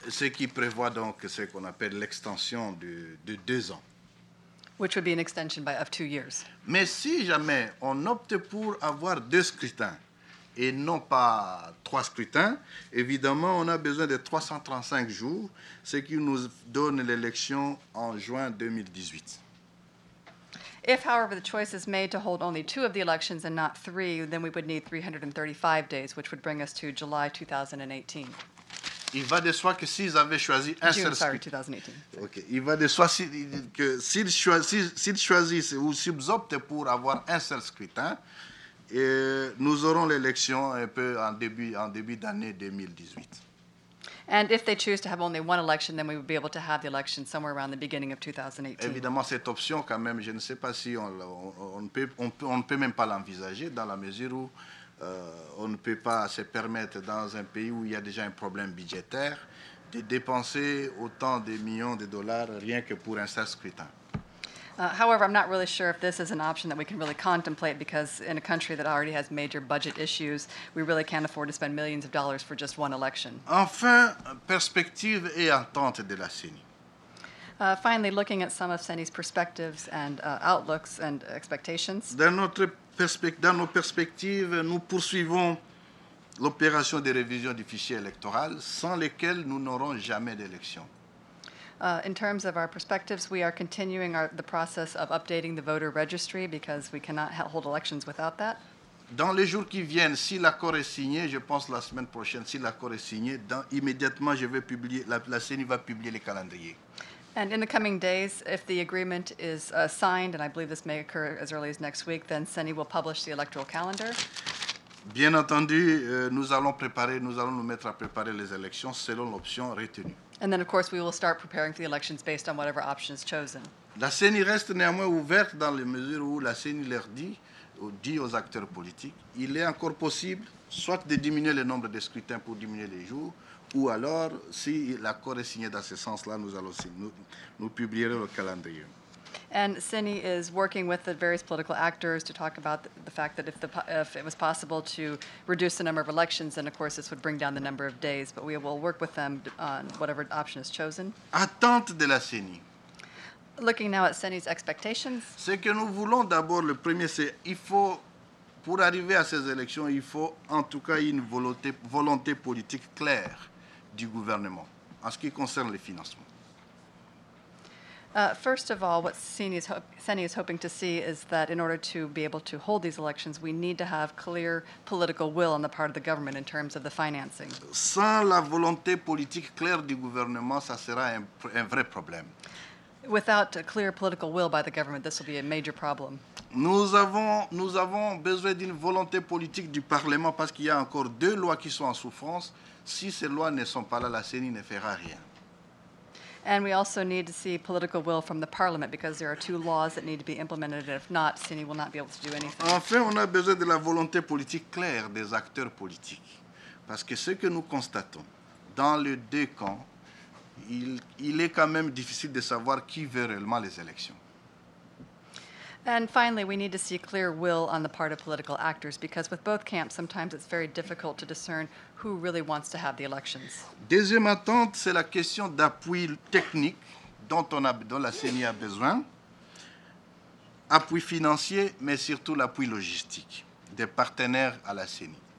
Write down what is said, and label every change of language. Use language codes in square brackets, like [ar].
[fr] Ce qui prévoit donc ce qu'on appelle l'extension de deux ans. [en] Which would be an extension of 2 years. [fr] Mais si jamais on opte pour avoir deux scrutins et non pas trois scrutins, évidemment, on a besoin de 335 jours, ce qui nous donne l'élection en juin 2018. [en] If, however, the choice is made to hold only two of the elections and not three, then we would need 335 days, which would bring us to July 2018. [fr] Il va de soi que s'ils avaient choisi un [en] June, [fr] seul scrutin. 2018. [en] Okay. [fr] Il va de soi que s'ils choisissent ou s'ils optent pour avoir un seul scrutin, et nous aurons l'élection un peu en début d'année 2018. [en] And if they choose to have only one election, then we would be able to have the election somewhere around the beginning of 2018. [fr] Évidemment, cette option, quand même, je ne sais pas si on ne peut même pas l'envisager dans la mesure où on ne peut pas se permettre dans un pays où il y a déjà un problème budgétaire de dépenser autant de millions de dollars rien que pour un seul scrutin. [en] However, I'm not really sure if this is an option that we can really contemplate because in a country that already has major budget issues, we really can't afford to spend millions of dollars for just one election. [fr] Enfin, perspective et entente de la CENI. [en] Finally, looking at some of CENI's perspectives and outlooks and expectations. [fr] Dans nos perspectives, nous poursuivons l'opération de révision du fichier électoral sans lesquelles nous n'aurons jamais d'élection. [en] In terms of our perspectives, we are continuing the process of updating the voter registry because we cannot hold elections without that. [fr] Dans les jours qui viennent, si l'accord est signé, je pense la semaine prochaine, si l'accord est signé, immédiatement je vais publier, la CENI va publier les calendriers. [en] And in the coming days, if the agreement is signed, and I believe this may occur as early as next week, then CENI will publish the electoral calendar. [fr] Bien entendu, nous allons nous mettre à préparer les élections selon l'option retenue. [en] And then, of course, we will start preparing for the elections based on whatever option is chosen. [fr] La CENI reste néanmoins ouverte dans les mesures où la CENI leur dit aux acteurs politiques, il est encore possible soit de diminuer le nombre de scrutins pour diminuer les jours, ou alors, si l'accord est signé dans ce sens-là, nous publierons le calendrier. [en] And CENI is working with the various political actors to talk about the fact that if it was possible to reduce the number of elections, then of course this would bring down the number of days. But we will work with them on whatever option is chosen. [fr] Attente de la CENI. [en] Looking now at CENI's expectations. [fr] Ce que nous voulons d'abord, le premier, c'est il faut, pour arriver à ces élections, il faut en tout cas une volonté politique claire du gouvernement en ce qui concerne les financements. [en] First of all, what CENI is hoping to see is that in order to be able to hold these elections, we need to have clear political will on the part of the government in terms of the financing. [fr] Sans la volonté politique claire du gouvernement, ça sera un vrai problème. [en] Without a clear political will by the government, this will be a major problem. [fr] Nous avons besoin d'une volonté politique du Parlement parce qu'il y a encore deux lois qui sont en souffrance. Si ces lois ne sont pas là, la CENI ne fera rien. [en] And we also need to see political will from the Parliament because there are two laws that need to be implemented, and if not, CENI will not be able to do anything. [fr] Enfin, on a besoin de la volonté politique claire des acteurs politiques. Parce que ce que nous constatons, dans les deux camps, il est quand même difficile de savoir qui veut réellement les élections. [en] And finally, we need to see clear will on the part of political actors, because with both camps, sometimes it's very difficult to discern who really wants to have the elections. [fr] Deuxième attente, c'est la question d'appui technique dont la CENI a besoin. Appui financier, mais surtout l'appui logistique des partenaires à la CENI.